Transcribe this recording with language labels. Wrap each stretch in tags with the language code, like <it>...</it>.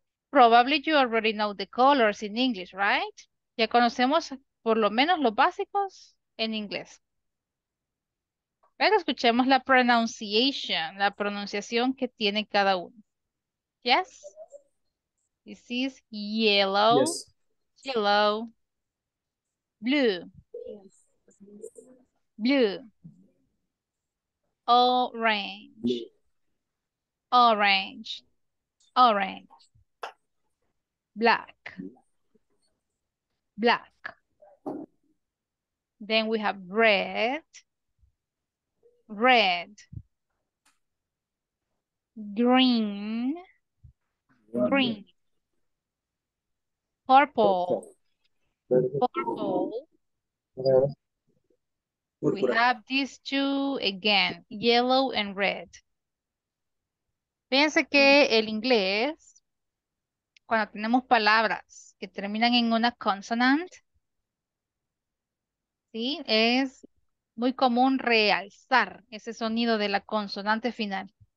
<en>Probably you already know the colors in English, right?</en> <es>Ya conocemos por lo menos los básicos en inglés. Pero escuchemos la pronunciation, la pronunciación que tiene cada uno.</es> <en>Yes. This is yellow. Yes. Yellow. Blue. Blue. Orange. Orange. Orange. Black. Black. Then we have red. Red, green, green, purple, purple. We have these two again, yellow and red.</en> <es>Piense que el inglés, cuando tenemos palabras que terminan en una consonante, sí, es muy común realzar ese sonido de la consonante final.</es>